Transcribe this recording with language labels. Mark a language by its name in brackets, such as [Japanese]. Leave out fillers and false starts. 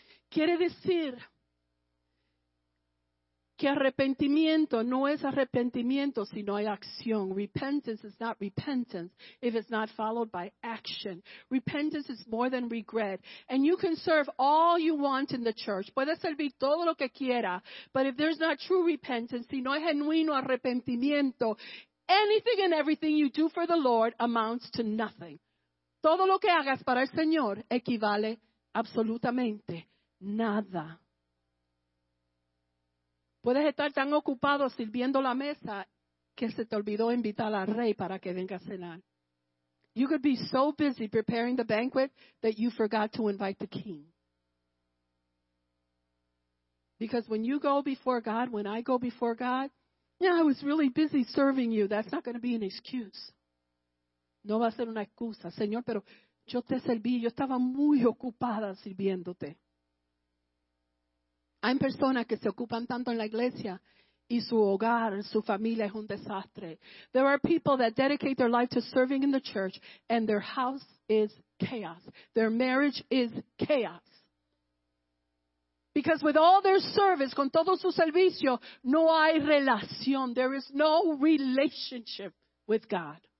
[Spanish] Quiere decir que arrepentimiento no es arrepentimiento si no hay acción. [English] Repentance is not repentance if it's not followed by action. Repentance is more than regret. And you can serve all you want in the church. [Spanish] Puedes servir todo lo que quiera. [English] But if there's not true repentance, [Spanish] si no hay genuino arrepentimiento, [English] anything and everything you do for the Lord amounts to nothing. [Spanish] Todo lo que hagas para el Señor equivale absolutamente nada. Puedes estar tan ocupado sirviendo la mesa que se te olvidó invitar al rey para que venga a cenar. [English] You could be so busy preparing the banquet that you forgot to invite the king. Because when you go before God, when I go before God, yeah, I was really busy serving you. That's not going to be an excuse. [Spanish] No va a ser una excusa. Señor, pero yo te serví. Yo estaba muy ocupada sirviéndote. Hay personas que se ocupan tanto en la iglesia y su hogar, su familia es un desastre. [English] There are people that dedicate their life to serving in the church and their house is chaos. Their marriage is chaos. Because with all their service, [Spanish] con todo su servicio, no hay relación. [English] There is no relationship with God.